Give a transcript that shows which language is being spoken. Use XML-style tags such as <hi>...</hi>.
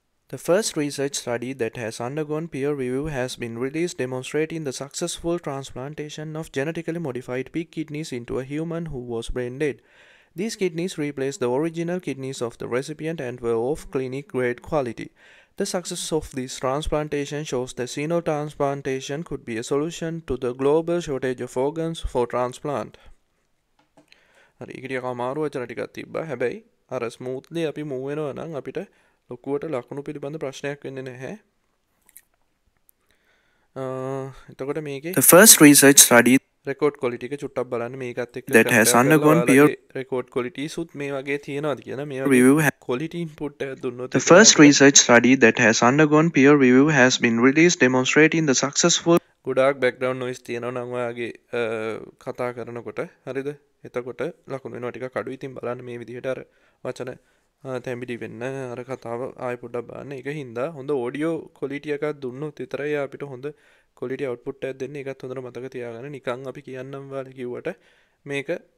<en>The first research study that has undergone peer review has been released demonstrating the successful transplantation of genetically modified pig kidneys into a human who was brain dead. These kidneys replaced the original kidneys of the recipient and were of clinic grade quality. The success of these transplantations shows that xenotransplantation could be a solution to the global shortage of organs for transplant.</en> <si>හරි ඊකටික අමාරු වචන ටිකක් තිබ්බා හැබැයි අර smoothly අපි move වෙනවා නම් අපිට ලොකුවට ලකුණු පිළිබඳ ප්‍රශ්නයක් වෙන්නේ නැහැ. එතකොට මේකේ</si> <en>The first research study</en> <si>record quality එක චුට්ටක් බලන්න මේකත් එක්ක</si> <en>that has undergone peer</en> <si>record quality සුත් මේ වගේ තියෙනවද කියලා මේ</si> <en>review</en> <si>quality input එක දුන්නොත්</si> <en>The first research study that has undergone peer review has been released demonstrating the successful</en> <si>ගොඩාක් background noise තියෙනවා නම් ඔයාගේ කතා කරනකොට හරිද? එතකොට ලකුණු වෙනවා ටිකක් අඩු ඉතින් බලන්න මේ විදිහට අර වචන තැඹිලි වෙන්න අර කතාව ආයෙ පොඩ්ඩක් බලන්න ඒක හින්දා හොඳ ඔඩියෝ ක්වලිටි එකක් දුන්නොත් විතරයි අපිට හොඳ ක්වලිටි අවුට්පුට් එකක් දෙන්නේ ඒකත් හොඳට මතක තියාගන්න නිකන් අපි කියන්නම් වාලි කිව්වට මේක</si>